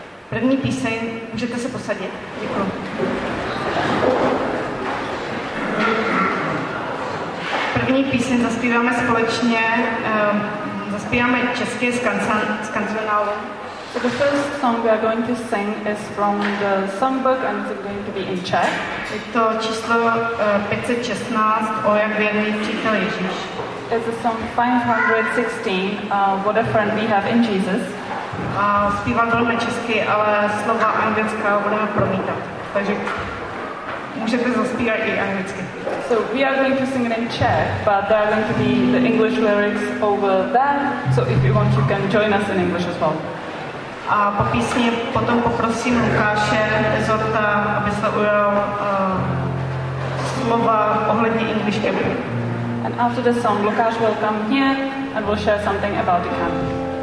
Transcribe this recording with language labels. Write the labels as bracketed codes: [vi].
[cs] První píseň, můžete se posadit. Děkuji. První píseň zaspíváme společně, zaspíváme česky z kancionálu. [en] So the first song we are going to sing is from the songbook and it's going to be in Czech. [cs] Je to číslo 516, O jak věrný přítel Ježíš. [en] It's a song 516, What a friend we have in Jesus. [cs] A zpívám velmi česky, ale slova anglická budeme promítat. Takže můžete zaspívat i anglicky. [en] So we are going to sing it in Czech, but there are going to be the English lyrics over there. So if you want, you can join us in English as well. [cs] A po písni potom poprosím Lukáše Zorta, aby se ujal slova ohledně English Campu. [en] And after the song, Lukáš will come here and will share something about the camp.